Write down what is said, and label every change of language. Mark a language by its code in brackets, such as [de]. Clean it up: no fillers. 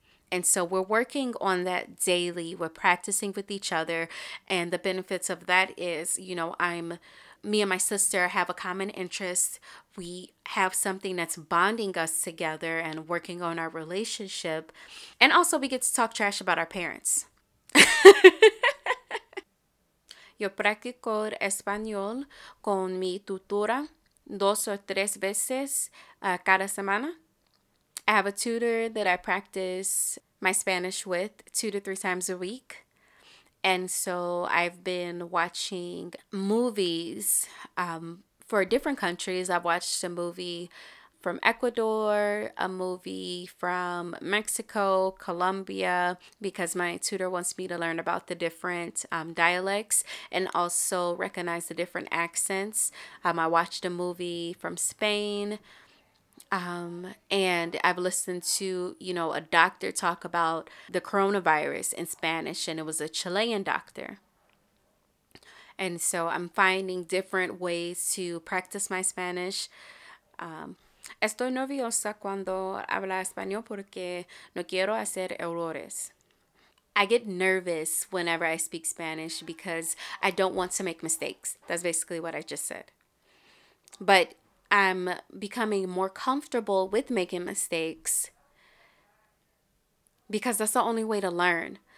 [en] And so we're working on that daily. We're practicing with each other. And the benefits of that is, you know, me and my sister have a common interest. We have something that's bonding us together and working on our relationship. And also we get to talk trash about our parents. [es] Yo practico español con mi tutora dos o tres veces cada semana. [en] I have a tutor that I practice my Spanish with 2 to 3 times a week. And so I've been watching movies for different countries. I've watched a movie from Ecuador, a movie from Mexico, Colombia, because my tutor wants me to learn about the different dialects and also recognize the different accents. I watched a movie from Spain. And I've listened to, you know, a doctor talk about the coronavirus in Spanish, and it was a Chilean doctor. And so I'm finding different ways to practice my Spanish. [es] Estoy nerviosa cuando habla español porque no quiero hacer errores. [en] I get nervous whenever I speak Spanish because I don't want to make mistakes. That's basically what I just said. But I'm becoming more comfortable with making mistakes because that's the only way to learn.